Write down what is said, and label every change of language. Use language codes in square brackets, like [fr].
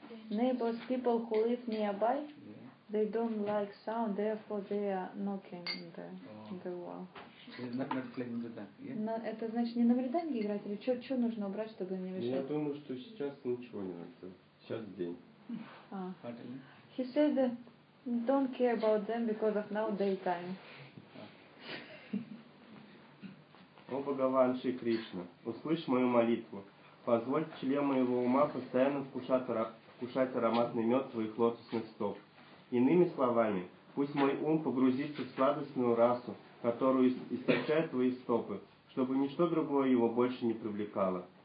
[en] Neighbors, people who live nearby, yeah. They don't like sound, therefore they are knocking in the, oh. In the wall. Not playing with them, yeah? [ru] Это значит не на вреданье играть, или что нужно убрать, чтобы не мешать? Я думаю, что сейчас ничего не надо. Сейчас день. Ah. [en] He said, don't care about them because of now daytime. [ru] О, Бхагаван Шри Кришна, услышь мою молитву. Позволь члену моего ума постоянно вкушать ароматный мед твоих лотосных стоп. Иными словами, пусть мой ум погрузится в сладостную расу, которую источают твои стопы, чтобы ничто другое его больше не привлекало.